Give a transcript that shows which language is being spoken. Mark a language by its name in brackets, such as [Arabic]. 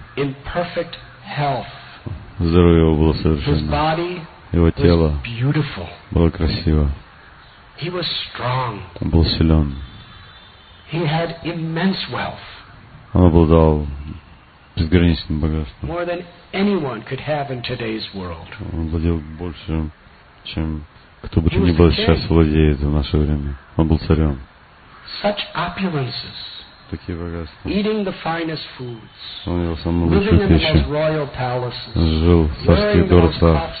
[English] In perfect health. [Russian] Здоровье его было совершенно. [English] His body [Russian] его тело [English] was beautiful. [Russian] Было красиво. [English] He was strong. [Russian] Он был силен. [English] He had immense wealth. [Russian] Он обладал безграничным богатством. [English] More than anyone could have in today's world. [Russian] Он владел больше, чем кто бы то ни был сейчас владеет в наше время. Он был царем. [English] Such opulences. [Russian] Такие богатства. [English] Eating the finest foods. [Russian] Он ел самую лучшую пищу. Жил в царских дворцах.